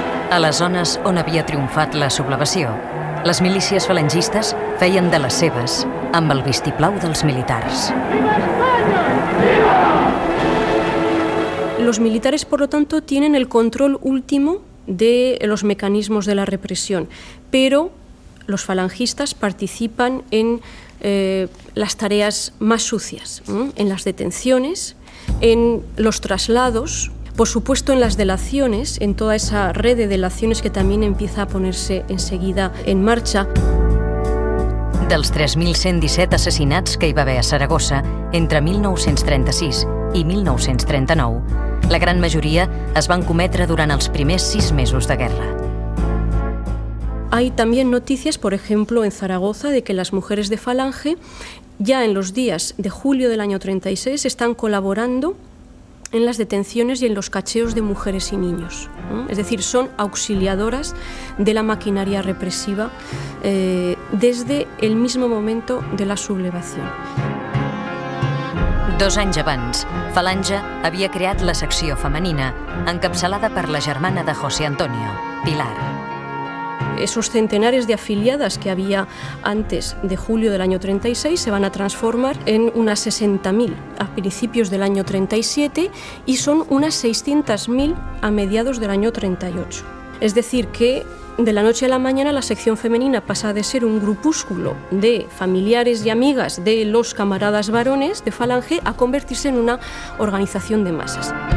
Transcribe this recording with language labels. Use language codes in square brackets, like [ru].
[ca] A les zones on havia triomfat la sublevació, les milícies falangistes feien de les seves amb el vistiplau dels militars. [es] Los militares, por lo tanto, tienen el control último de los mecanismos de la represión, pero los falangistas participan en las tareas más sucias, en las detenciones, en los traslados. Por supuesto, en las delaciones, en toda esa red de delaciones que también empieza a ponerse enseguida en marcha. [ca] Dels 3.117 assassinats que hi va haver a Saragossa entre 1936 i 1939, la gran majoria es van cometre durant els primers 6 mesos de guerra. [es] Hay también noticias, por ejemplo, en Zaragoza, de que las mujeres de Falange ya en los días de julio del año 36 están colaborando en las detenciones y en los cacheos de mujeres y niños. Es decir, son auxiliadoras de la maquinaria represiva desde el mismo momento de la sublevación. [ca] 2 anys abans, Falange havia creat la secció femenina, encapçalada per la germana de José Antonio, Pilar. [es] Esos centenares de afiliadas que había antes de julio del año 36 se van a transformar en unas 60.000 a principios del año 37 y son unas 600.000 a mediados del año 38. Es decir, que de la noche a la mañana la sección femenina pasa de ser un grupúsculo de familiares y amigas de los camaradas varones de Falange a convertirse en una organización de masas.